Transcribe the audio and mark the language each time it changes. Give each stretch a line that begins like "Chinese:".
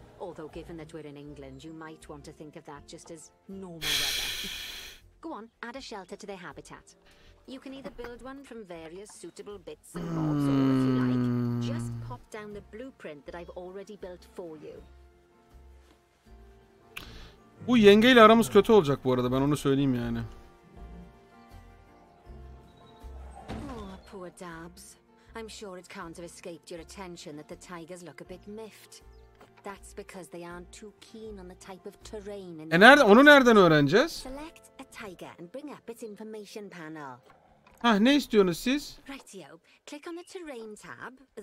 English: Although given that we're in England, you might want to think of that just as normal weather. Go on, add a shelter to their habitat. You can either build one from various suitable bits and bobs, or if you like, just pop down the blueprint that I've already built for you.
Turkish: Bu yengeyle aramız kötü olacak bu arada, ben onu söyleyeyim yani.
English: Oh, poor Dabs. I'm sure it can't have escaped your attention that the tigers look a bit miffed. That's because they aren't too keen on the type of terrain. And
Turkish: nerede onu nereden öğreneceğiz?
English: Select a tiger and bring up its information panel. Ah,
Turkish: ne istiyorsunuz siz?
English: Rightio. Click on the terrain tab.